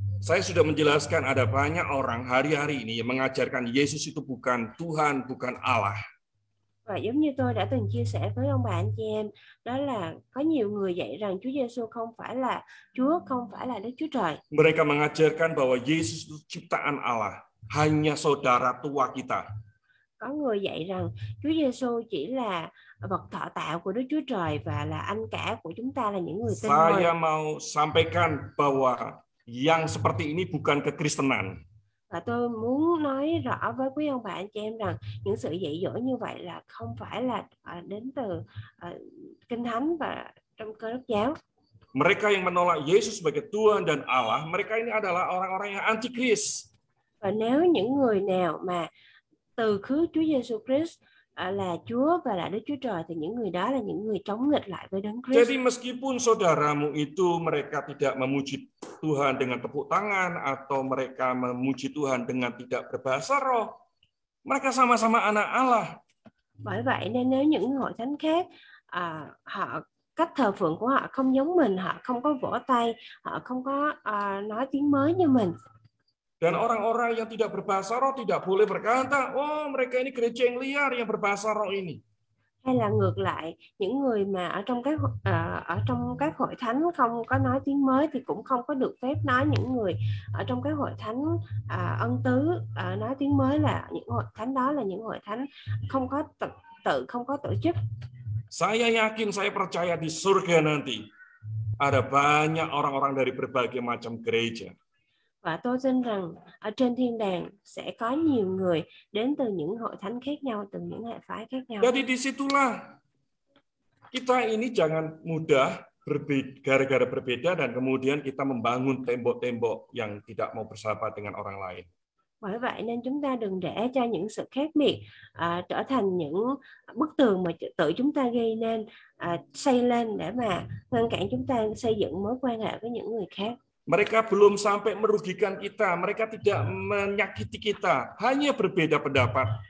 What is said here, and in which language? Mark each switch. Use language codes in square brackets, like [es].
[id] Saya sudah menjelaskan ada banyak orang hari-hari ini yang mengajarkan Yesus itu bukan Tuhan, bukan Allah. [vi] Và giống như tôi đã từng chia sẻ với ông bà anh chị em, đó là có nhiều người dạy rằng Chúa Giêsu không phải là Chúa, không phải là Đức Chúa Trời. [id] Mereka mengajarkan bahwa Yesus itu ciptaan Allah, hanya saudara tua kita. [vi] Có người dạy rằng Chúa Giêsu chỉ là vật thọ tạo của Đức Chúa Trời và là anh cả của chúng ta, là những người tin thôi. [id] Saya mau sampaikan bahwa yang seperti ini bukan kekristenan. [vi] Và tôi muốn nói rõ với quý ông bà anh chị em rằng những sự dạy dỗ như vậy là không phải là đến từ Kinh Thánh và trong Cơ Đốc giáo. [id] Mereka yang menolak Yesus sebagai Tuhan dan Allah, mereka ini adalah orang-orang yang antikris. [vi] Và nếu những người nào mà từ khứ Chúa Giêsu Christ là Chúa và là Đức Chúa Trời thì những người đó là những người chống nghịch lại với Đấng Christ. [id] Jadi meskipun saudaramu itu mereka tidak memuji Tuhan dengan tepuk tangan atau mereka memuji Tuhan dengan tidak berbahasa roh, mereka sama-sama anak Allah. [vi] Bởi vậy nên nếu những hội thánh khác họ cách thờ phượng của họ không giống mình, họ không có vỗ tay, họ không có nói tiếng mới như mình. [id] Dan orang-orang yang tidak berbahasa roh tidak boleh berkata, oh mereka ini gereja yang liar yang berbahasa roh ini. [vi] Hay là ngược lại, những người mà ở trong các hội thánh không có nói tiếng mới thì cũng không có được phép nói những người ở trong các hội thánh ân tứ nói tiếng mới là những hội thánh đó là những hội thánh không có tự không có tổ chức. [id] Saya yakin, saya percaya di surga nanti ada banyak orang-orang dari berbagai macam gereja. [vi] Và tôi tin rằng ở trên thiên đàng sẽ có nhiều người đến từ những hội thánh khác nhau, từ những hệ phái khác nhau. [id] Jadi disitulah kita ini jangan mudah gara-gara berbeda dan kemudian kita membangun tembok-tembok yang tidak mau bersahabat dengan orang lain. [vi] Bởi vậy nên chúng ta đừng để cho những sự khác biệt trở thành những bức tường mà tự chúng ta gây nên, xây lên để mà ngăn cản chúng ta xây dựng mối quan hệ với những người khác. [id] Mereka belum sampai merugikan kita, mereka tidak menyakiti kita, hanya berbeda pendapat.